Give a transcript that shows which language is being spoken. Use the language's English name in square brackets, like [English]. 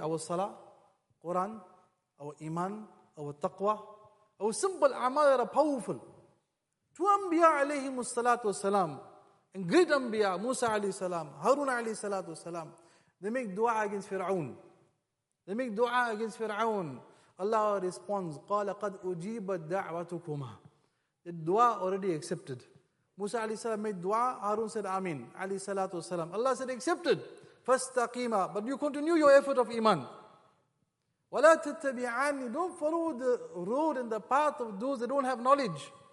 [English] Our salah, Quran, our iman, our taqwa, our simple amal are powerful. To Anbiya alayhim salatu salam, and great Anbiya, Musa alayhi salam, Harun alayhi salatu salam, they make dua against Fir'aun. They make dua against Fir'aun. Allah responds, [Arabic] قَالَ قَدْ أُجِيبَتْ دَعْوَتُكُمَا. [English] The dua already accepted. Musa alayhi salam made dua, Harun said, Amin, alayhi salatu salam. Allah said, accepted. [Arabic] فَاسْتَقِيمَا. [English] But you continue your effort of iman. [Arabic] وَلَا تَتَّبِعَانِي. [English] Don't follow the road and the path of those that don't have knowledge.